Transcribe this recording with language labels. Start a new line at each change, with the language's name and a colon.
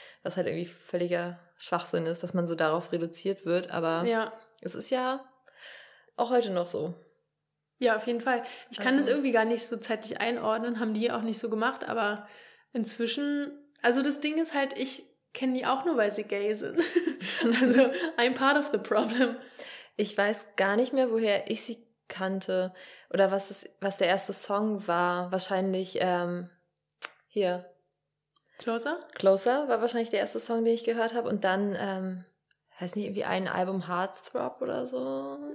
German: Was halt irgendwie völliger Schwachsinn ist, dass man so darauf reduziert wird. Aber ja, es ist ja auch heute noch so. Ja, auf jeden Fall. Ich kann das irgendwie gar nicht so zeitlich einordnen, haben die auch nicht so gemacht, aber inzwischen, also das Ding ist halt, ich kenne die auch nur, weil sie gay sind.
English: Also, I'm part of the problem.
German: Ich weiß gar nicht mehr, woher ich sie kannte oder was es, was der erste Song war. Wahrscheinlich hier. Closer? Closer war wahrscheinlich der erste Song, den ich gehört habe und dann... heißt nicht irgendwie ein Album Heartthrob oder so?